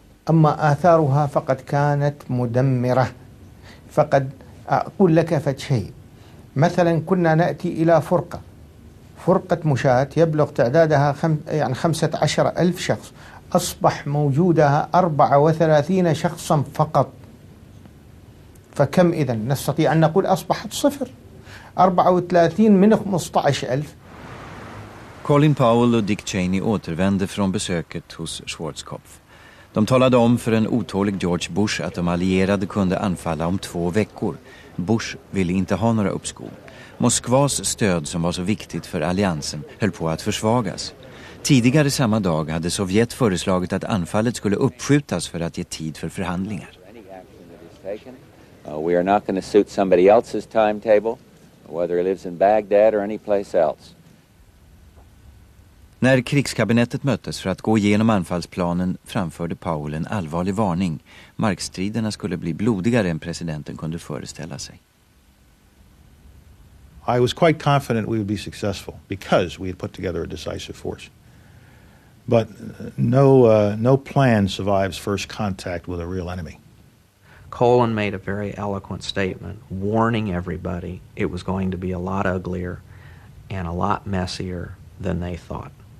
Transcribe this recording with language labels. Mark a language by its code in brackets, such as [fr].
[ar] أما آثارها فقد كانت مدمرة. فقد أقول لك فشيء، مثلا كنا نأتي إلى فرقة مشاة يبلغ تعدادها 15,000 شخص، أصبح موجودها 34 شخصا فقط. فكم إذن نستطيع أن نقول أصبحت صفر؟ 34 من 15,000. [sv] Colin Powell och Dick Cheney återvände från besöket hos Schwarzkopf. De talade om för en otålig George Bush att de allierade kunde anfalla om 2 veckor. Bush ville inte ha några uppskov. Moskvas stöd som var så viktigt för alliansen höll på att försvagas. Tidigare samma dag hade Sovjet föreslagit att anfallet skulle uppskjutas för att ge tid för förhandlingar. [en] We are not going to suit somebody else's timetable, whether he lives in Baghdad or any place else. [sv] När krigskabinettet möttes för att gå igenom anfallsplanen framförde Powell en allvarlig varning. Markstriderna skulle bli blodigare än presidenten kunde föreställa sig. [en] I was quite confident we would be successful because we had put together a decisive force. But no plan survives first contact with a real enemy. Colin made a very eloquent statement warning everybody it was going to be a lot uglier and a lot messier than they thought.